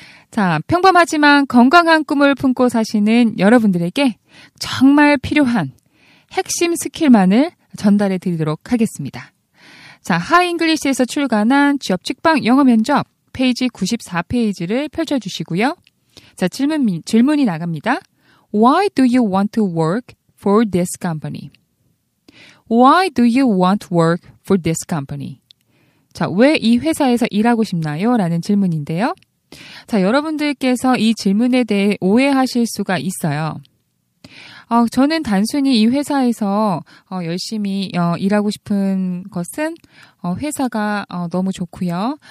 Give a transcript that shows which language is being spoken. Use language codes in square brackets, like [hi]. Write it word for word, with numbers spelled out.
[ko] 자, 평범하지만 건강한 꿈을 품고 사시는 여러분들에게 정말 필요한 핵심 스킬만을 전달해 드리도록 하겠습니다. 자, 하이잉글리시에서 출간한 취업 직방 영어 면접 페이지 구십사 페이지를 펼쳐 주시고요. 자, 질문 질문이 나갑니다. [en] Why do you want to work for this company? Why do you want to work for this company? [ko] 자, 왜 이 회사에서 일하고 싶나요? 라는 질문인데요. 자, 여러분들께서 이 질문에 대해 오해하실 수가 있어요. 어, 저는 단순히 이 회사에서 어, 열심히 어, 일하고 싶은 것은 어, 회사가 어, 너무 좋고요.